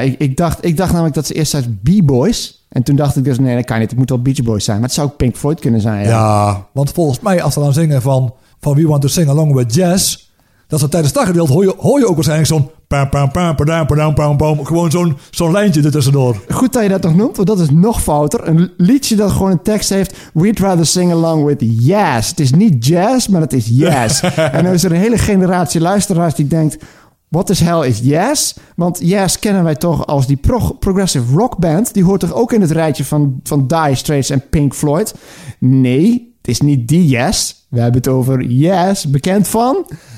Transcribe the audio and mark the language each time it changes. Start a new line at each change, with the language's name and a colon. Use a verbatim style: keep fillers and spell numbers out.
Dutch: Ik, ik, dacht, ik dacht namelijk dat ze eerst uit B-Boys... En toen dacht ik dus, nee, dat kan niet. Het moet wel Beach Boys zijn. Maar het zou ook Pink Floyd kunnen zijn. Ja, ja, want volgens mij als ze dan zingen van... van We Want To Sing Along With Jazz... dat ze tijdens het daggedeelte hoor je, hoor je ook waarschijnlijk zo'n... Pam, pam, pam, pam, pam, pam, pam, gewoon zo'n, zo'n lijntje er tussendoor. Goed dat je dat nog noemt, want dat is nog fouter. Een liedje dat gewoon een tekst heeft...
English: We'd rather sing along with jazz.
Dutch: Het is niet jazz, maar het is jazz. En dan is er een hele generatie luisteraars die denkt...
English: What the hell is Yes?
Dutch: Want Yes kennen wij toch als die prog- progressive rock band. Die hoort toch ook in het rijtje van, van Dire Straits en Pink Floyd? Nee, het is niet die Yes. We hebben het over Yes, bekend van...